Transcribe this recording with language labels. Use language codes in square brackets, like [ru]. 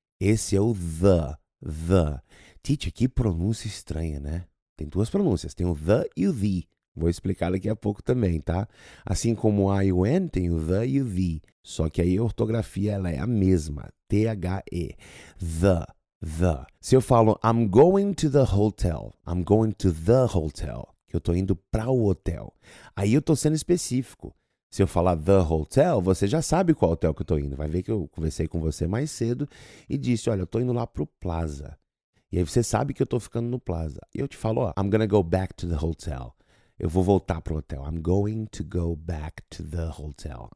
[pt] Esse é o the, the. Teacher, que pronúncia estranha, né? Tem duas pronúncias, tem o the e o the. Vou explicar daqui a pouco também, tá? Assim como o I e o N, tem o the e o the. Só que aí a ortografia ela é a mesma, T-H-E. [en] The, the. [pt] Se eu falo, [en] I'm going to the hotel. I'm going to the hotel. [pt] Que eu tô indo para o hotel. Aí eu tô sendo específico. Se eu falar the hotel, você já sabe qual hotel que eu tô indo. Vai ver que eu conversei com você mais cedo e disse, olha, eu tô indo lá pro Plaza. E aí você sabe que eu tô ficando no Plaza. E eu te falo, [en] I'm gonna go back to the hotel. [pt] Eu vou voltar pro hotel. [en] I'm going to go back to the hotel.